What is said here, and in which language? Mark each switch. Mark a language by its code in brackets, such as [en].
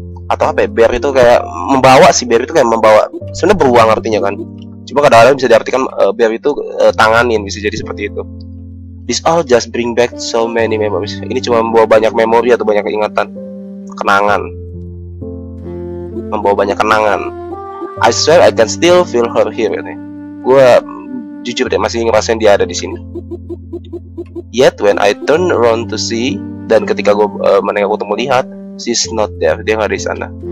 [id] Atau apa ya, bear itu kayak membawa sih, bear itu kayak membawa. Sebenarnya beruang artinya kan. Cuma kadang-kadang bisa diartikan bear itu tanganin, bisa jadi seperti itu. [en] This all just bring back so many memories. [id] Ini cuma membawa banyak memori atau banyak ingatan. Kenangan. Membawa banyak kenangan. [en] I swear I can still feel her here. [id] Gitu. Gue jujur deh, masih ngerasain dia ada di sini. [en] Yet when I turn around to see, [id] dan ketika gue menengok untuk melihat, [en] she's not there. [id] Dia gak ada di sana.